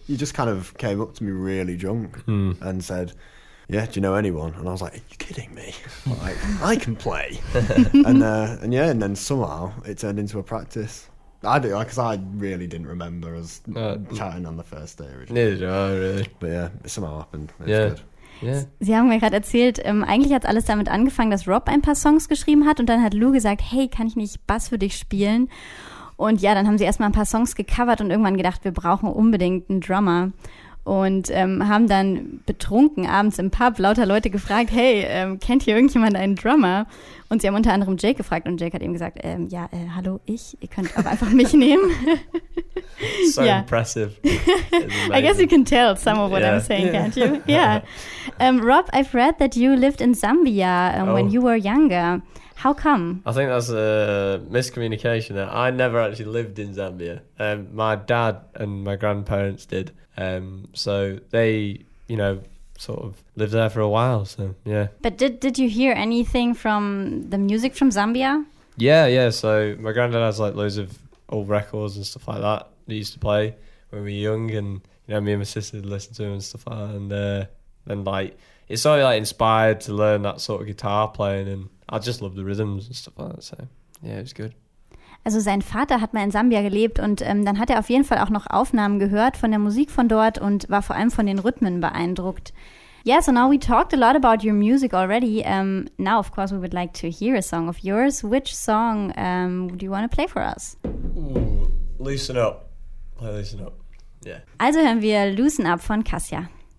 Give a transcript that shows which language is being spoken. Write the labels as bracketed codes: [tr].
[en] You just kind of came up to me really drunk and said, yeah, do you know anyone? And I was like, are you kidding me? Like, I can play. and then somehow it turned into a practice. I do, because I really didn't remember us chatting on the first day originally. Neither did I, really. But yeah, it somehow happened. It's good. [de] Sie haben mir gerade erzählt, eigentlich hat alles damit angefangen, dass Rob ein paar Songs geschrieben hat, und dann hat Lou gesagt, hey, kann ich nicht Bass für dich spielen? Und ja, dann haben sie erstmal ein paar Songs gecovert und irgendwann gedacht, wir brauchen unbedingt einen Drummer. Und haben dann betrunken abends im Pub lauter Leute gefragt, hey, kennt hier irgendjemand einen Drummer? Und sie haben unter anderem Jake gefragt, und Jake hat ihm gesagt, hallo, ich, ihr könnt auch einfach mich nehmen. [en] So yeah. Impressive. I guess you can tell some of what I'm saying, can't you? Yeah. Rob, I've read that you lived in Zambia when you were younger. How come? I think that's a miscommunication there. I never actually lived in Zambia. My dad and my grandparents did. So they, you know, sort of lived there for a while. So, yeah. But did you hear anything from the music from Zambia? Yeah. So my granddad has like loads of old records and stuff like that he used to play when we were young. And, you know, me and my sister would listen to him and stuff like that. And then like, it sort of like inspired to learn that sort of guitar playing. And I just love the rhythms and stuff like that. So, yeah, it was good. [de] Also sein Vater hat mal in Sambia gelebt, und dann hat er auf jeden Fall auch noch Aufnahmen gehört von der Musik von dort und war vor allem von den Rhythmen beeindruckt. [en] Yeah, so now we talked a lot about your music already. Now, of course, we would like to hear a song of yours. Which song do you want to play for us? Ooh, Loosen Up. Play Loosen Up. Yeah. [de] Also hören wir Loosen Up von Kasia.